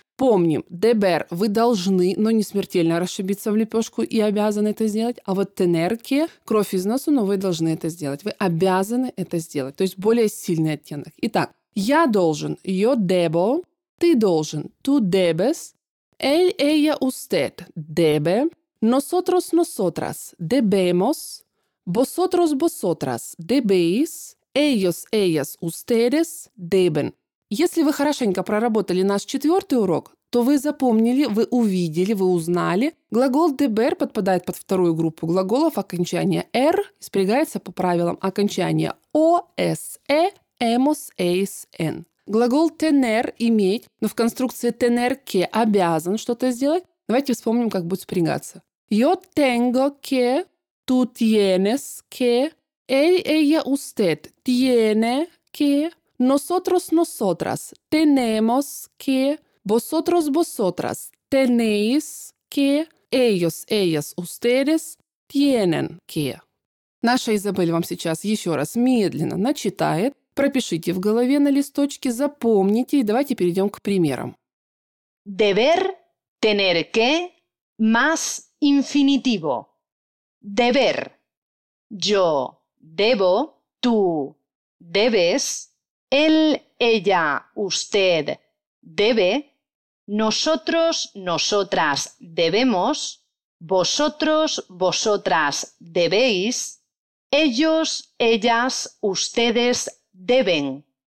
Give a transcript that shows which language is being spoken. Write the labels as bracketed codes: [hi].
[ru] Помним, deber – вы должны, но не смертельно расшибиться в лепешку и обязаны это сделать. А вот tenerque – кровь из носу, но вы должны это сделать. Вы обязаны это сделать. То есть более сильный оттенок. Итак, я должен – [es] yo debo. [ru] Ты должен – [es] tú debes. Él, ella, usted – debe. Nosotros, nosotras – debemos. Vosotros, vosotras – debéis. Ellos, ellas, ustedes – deben. [ru] Если вы хорошенько проработали наш четвертый урок, то вы запомнили, вы увидели, вы узнали. Глагол deber подпадает под вторую группу глаголов. Окончание r спрягается по правилам окончания o, s, e, emos, eis, en. Глагол tener – иметь, но в конструкции tener que – обязан что-то сделать. Давайте вспомним, как будет спрягаться. [es] Yo tengo que, tú tienes que, él, ella, usted tiene que. Nosotros, nosotras, tenemos que. Vosotros, vosotras, tenéis que. Ellos, ellas, ustedes tienen que. [ru] Наша Изабель вам сейчас еще раз медленно начитает. Пропишите в голове на листочке, запомните, и давайте перейдем к примерам. [es] Deber, tener que, más infinitivo. Deber. Yo debo, tú debes. Él, ella, usted debe, nosotros, nosotras debemos, vosotros, vosotras debéis, ellos, ellas, ustedes deben.